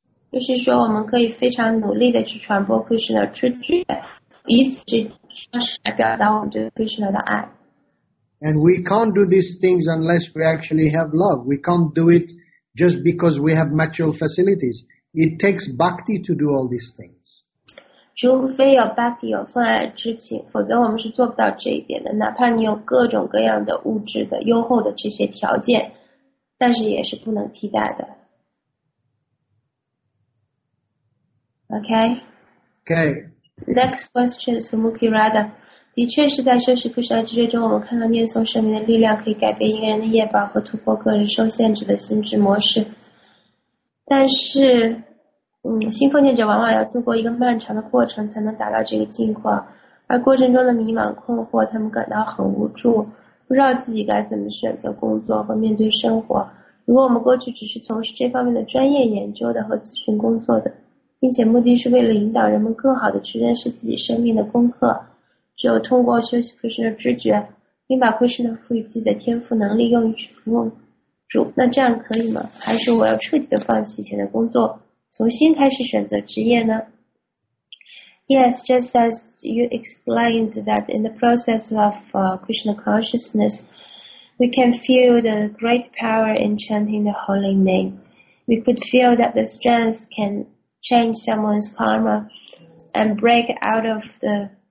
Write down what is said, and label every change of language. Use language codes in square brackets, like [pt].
[zh] 就是说，我们可以非常努力的去传播 Krishna 出去，以此去表达我们对 Krishna 的爱。 [en] And we can't do these things unless we actually have love. We can't do it just because we have material facilities. It takes bhakti to do all these things. [zh] 除非有 bhakti 有分爱之情，否则我们是做不到这一点的。哪怕你有各种各样的物质的优厚的这些条件，但是也是不能替代的。 [en] Okay. Okay. Next question, Sumukhi Radha. [zh] 的确是在修习布施之中，我们看到念诵圣名的力量可以改变一个人的业报和突破个人受限制的心智模式。但是，新奉献者往往要度过一个漫长的过程才能达到这个境况，而过程中的迷茫困惑，他们感到很无助，不知道自己该怎么选择工作和面对生活。如果我们过去只是从事这方面的专业研究的和咨询工作的，并且目的是为了引导人们更好的去认识自己生命的功课。只有通过修习 Krishna 的知觉，并把 Krishna 赋予自己的天赋能力用于去服务主，那这样可以吗？还是我要彻底的放弃以前的工作，从新开始选择职业呢？ [en] Yes, just as you explained that in the process of Krishna consciousness, we can feel the great power in chanting the holy name. We could feel that the strength can change someone's karma and break out of the...